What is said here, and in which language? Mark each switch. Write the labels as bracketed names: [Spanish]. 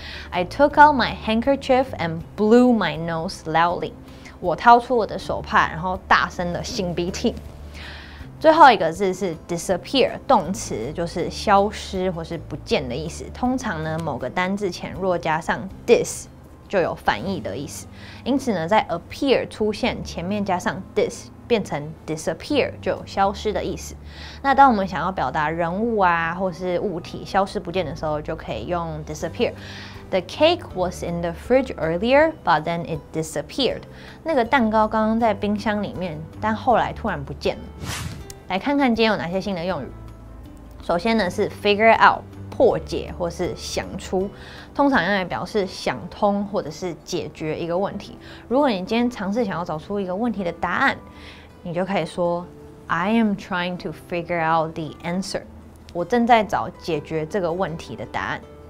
[English] I took out my handkerchief and blew my nose loudly. [Chinese] 我掏出我的手帕，然后大声的擤鼻涕。最后一个字是 disappear， 动词，就是消失或是不见的意思。通常呢，某个单字前若加上 dis， 就有反义的意思。因此呢，在 appear 出现前面加上 dis， 变成 disappear 就有消失的意思。那当我们想要表达人物啊，或是物体消失不见的时候，就可以用 disappear。 [English] The cake was in the fridge earlier, but then it disappeared. [Chinese] 那个蛋糕刚刚在冰箱里面，但后来突然不见了。来看看今天有哪些新的用语。首先呢是 figure out， 破解或是想出，通常用来表示想通或者是解决一个问题。如果你今天尝试想要找出一个问题的答案，你就可以说 [English] I am trying to figure out the answer， [Chinese] 我正在找解决这个问题的答案。